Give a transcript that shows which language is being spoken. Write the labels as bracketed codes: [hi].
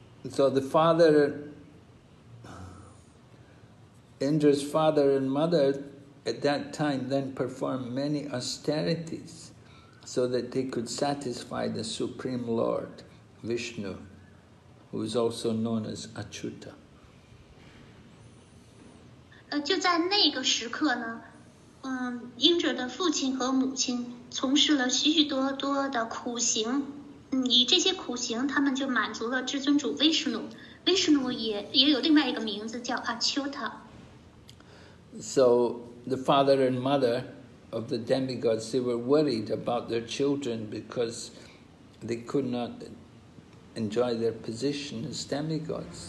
[en] So the father, Indra's father and mother at that time then performed many austerities so that they could satisfy the Supreme Lord, Vishnu, who is also known as Achyuta. [zh] 就在那个时刻呢， 英者的父亲和母亲从事了许许多多的苦行，以这些苦行，他们就满足了至尊主威士努。威士努也有另外一个名字叫阿丘塔。So [en] the father and mother of the demigods, they were worried about their children because they could not enjoy their position as demigods.